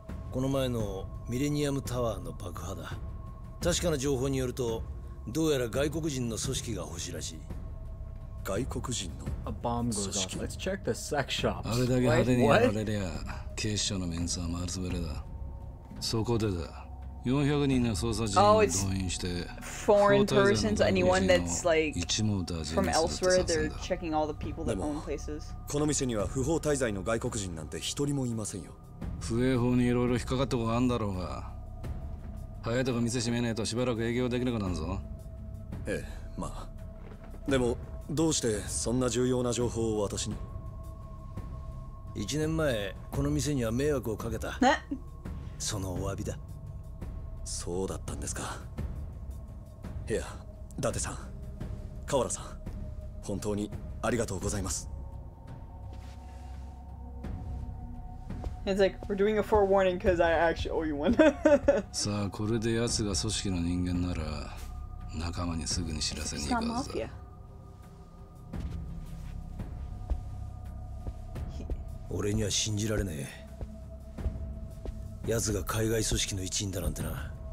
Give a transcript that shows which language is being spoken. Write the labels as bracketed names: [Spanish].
[Japanese] この前のミレニアムタワーの爆破だ。確かな情報によると、どうやら外国人の組織が欲しいらしい。外国人の組織？ [English] Let's check the sex shops. [Japanese] あれだけ派手にやられりゃ、警視庁のメンツは丸つぶれだ。そこでだ。 400人の捜査人を動員して、 [English] foreign persons, anyone that's like from elsewhere, they're checking all the people that own places. [Japanese] この店には不法滞在の外国人なんて一人もいませんよ。不衛法にいろいろ引っかかったことがあるんだろうが、早いとこ店閉めないとしばらく営業できなくなるぞ。ええ、まあ。でも、どうしてそんな重要な情報を私に？ 1年前、この店には迷惑をかけた。そのお詫びだ。そうだったんですか。いや、伊達さん、河原さん、本当にありがとうございます。 [English] It's like we're doing a forewarning because I actually owe you one. [Japanese] さあ、これで奴が組織の人間なら、仲間にすぐに知らせに行くはずだ。俺には信じられねえ。奴が海外組織の一員だなんてな。